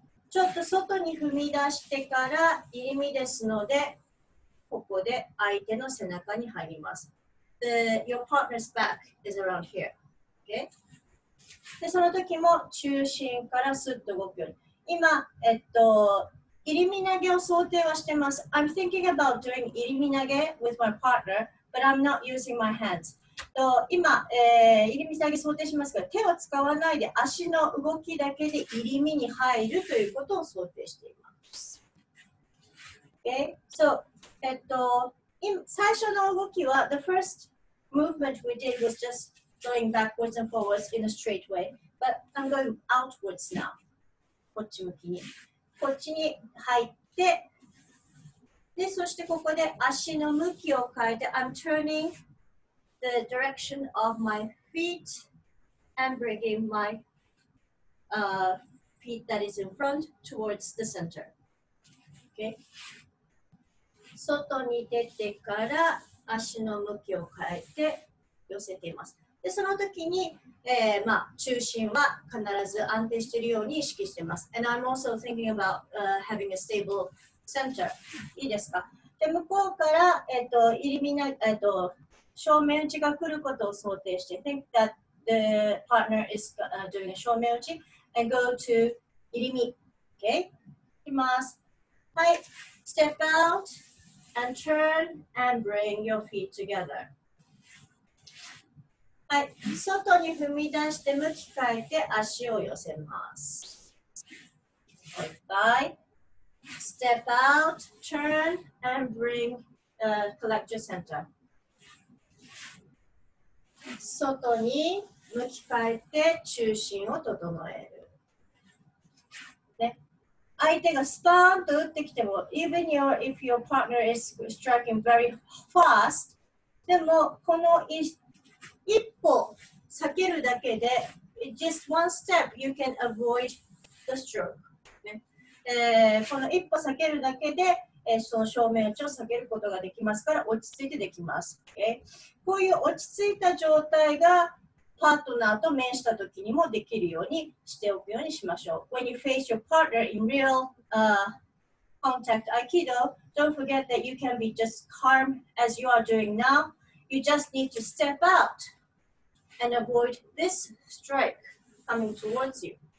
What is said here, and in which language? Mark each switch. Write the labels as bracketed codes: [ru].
[ja] ちょっと外に踏み出してから入り身ですので、ここで相手の背中に入ります。 [en] The, your partner's back is around here. Okay? [ja] で、その時も中心からスッと動くように。今、入り身投げを想定はしてます。 [en] I'm thinking about doing 入り身投げ with my partner, but I'm not using my hands. [ja] 今、入り身投げ想定しますが、手は使わないで足の動きだけで入り身に入るということを想定しています。 [en] Okay? So, [ja] 最初の動きは、 [en] the first movement we did was just going backwards and forwards in a straight way, but I'm going outwards now. [ja] こっち向きに。こっちに入って、で、そしてここで足の向きを変えて、 [en] I'm turning. The direction of my feet and bringing my feet that is in front towards the center. Okay. [ja] 外に出てから足の向きを変えて寄せています。で、その時に、中心は必ず安定しているように意識しています。 [en] And I'm also thinking about having a stable center. [ja] いいですか?で、向こうから、入り身な、正面打ちが来ることを想定して [en] Think that the partner is doing a 正面打ち and go to 入り身 Okay? [ja] 行きます。はい。 [en] Step out and turn and bring your feet together. [ja] はい。外に踏み出して向き変えて足を寄せます。 [en] Bye. Step out, turn, and bring the collector center. [ja] 外に向き変えて中心を整える。ね、相手がスパーンと打ってきても、 [en] even your, if your partner is striking very fast, [ja] でもこの一歩避けるだけで、 [en] just one step, you can avoid the stroke. [ja] この一歩避けるだけで、その正面打ちを避けることができますから落ち着いてできます、okay? こういう落ち着いた状態がパートナーと面した時にもできるようにしておくようにしましょう。 [en] When you face your partner in real contact Aikido, don't forget that you can be just calm as you are doing now. You just need to step out and avoid this strike coming towards you.